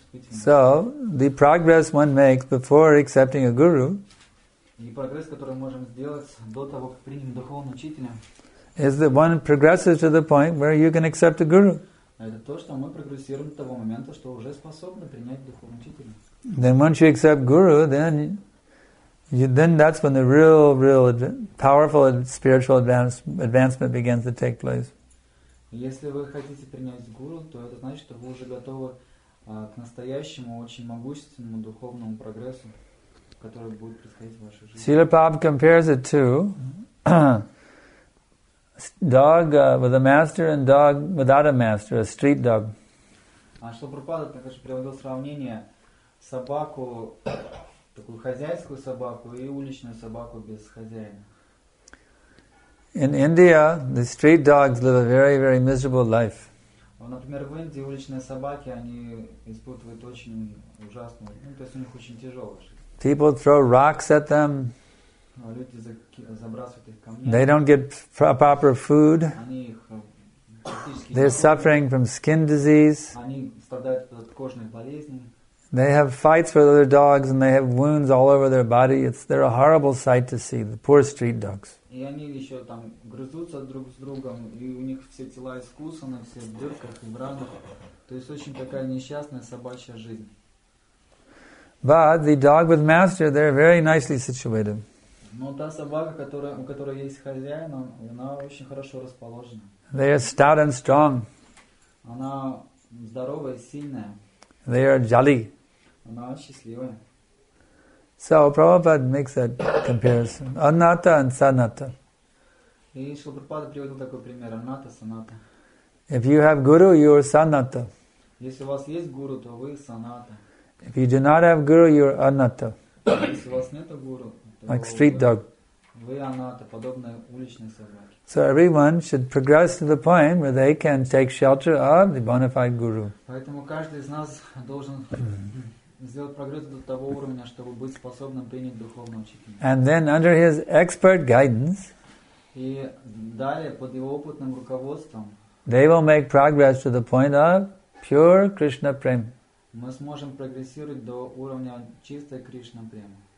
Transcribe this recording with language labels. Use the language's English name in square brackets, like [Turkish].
[English] So, the progress one makes before accepting a guru is that one progresses to the point where you can accept a guru. Then once you accept guru, then that's when the real powerful spiritual advancement begins to take place. [Russian] Если вы хотите принять гуру, то это значит, что вы уже готовы к настоящему, очень могущественному духовному прогрессу, который будет происходить в вашей жизни. [English] Srila Prabhupada compares it to dog with a master and dog without a master, a street dog. [Russian] А что Прабхупада также же приводил сравнение собаку, такую хозяйскую собаку и уличную собаку без хозяина. [English] In India, the street dogs live a very, very miserable life. [Russian] Например, в Индии уличные собаки, они испытывают очень ужасную, то есть у них очень тяжелая жизнь. [English] People throw rocks at them. [Russian] Люди забрасывают их камнями. [English] They don't get proper food. [Russian] Они их практически. [English] They're suffering from skin disease. [Russian] Они страдают от кожной болезни. [English] They have fights with other dogs and they have wounds all over their body. They're a horrible sight to see, the poor street dogs. [Russian] И они еще там грызутся друг с другом, и у них все тела искусаны, все в дырках и в ранах. То есть очень такая несчастная собачья жизнь. [English] But the dog with master, they're very nicely situated. [Russian] Но та собака, у которой есть хозяин, она очень хорошо расположена. [English] They are stout and strong. [Russian] Она здоровая и сильная. [English] They are jolly. [Russian] Она счастливая. [English] So Prabhupada makes that comparison. Anatta and Sanatta. [Russian] И Шрила Прабхупада приводил такой пример. [English] Anatta, Sanatta. If you have guru, you are Sanatta. [Russian] Если у вас есть guru, то вы Sanatta. [English] If you do not have guru, you are Anatta. [Russian] Если у вас нет guru, то [English] like street dog. [Russian] Вы Anatta, подобные уличные собаки. [English] So everyone should progress to the point where they can take shelter of the bona fide guru. [Russian] Поэтому каждый из нас должен сделать прогресс до того уровня, чтобы быть способным принять духовного учителя. [English] And then under his expert guidance, [Russian] и далее под его опытным руководством, [English] they will make progress to the point of pure Krishna prem. [Russian] Мы сможем прогрессировать до уровня чистой Кришна премы.